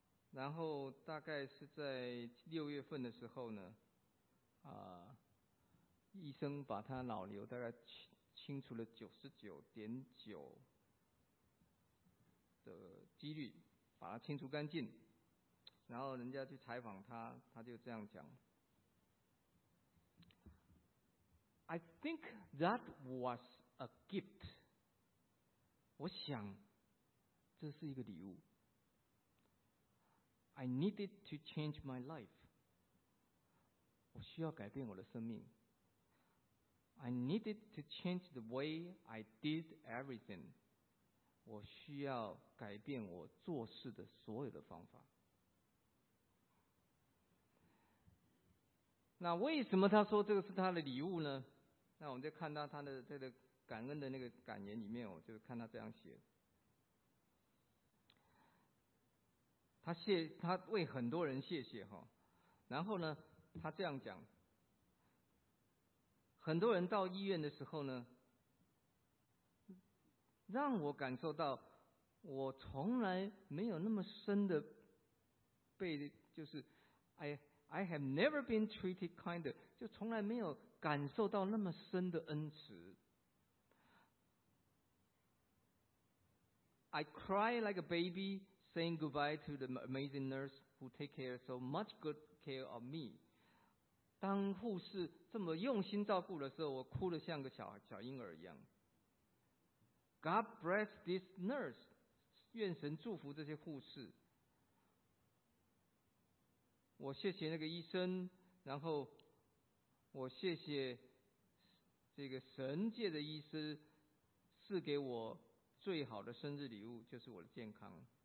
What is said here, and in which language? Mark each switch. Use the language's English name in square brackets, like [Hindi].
[Chinese] 然后大概是在6月份的时候呢，医生把他脑瘤大概清除了 99.9% 的几率把它清除干净。然后人家去采访他，他就这样讲， [English] I think that was a gift， [Chinese] 我想这是一个礼物。 [English] I needed to change my life. [Chinese] 我需要改变我的生命。 [English] I needed to change the way I did everything. [Chinese] 我需要改变我做事的所有的方法。那为什么他说这个是他的礼物呢？那我们就看到他的这个感恩的那个感言里面，我就看他这样写。他为很多人谢谢哈，然后呢，他这样讲，很多人到医院的时候呢，让我感受到我从来没有那么深的被，就是 [English] I have never been treated kinder， [Chinese] 就从来没有感受到那么深的恩慈。 [English] I cry like a baby. Saying goodbye to the amazing nurse who take care so much good care of me. [Chinese] 当护士这么用心照顾的时候，我哭得像个小婴儿一样。 [English] God bless this nurse. [Chinese] 愿神祝福这些护士。我谢谢那个医生，然后我谢谢这个神界的医师赐给我最好的生日礼物，就是我的健康。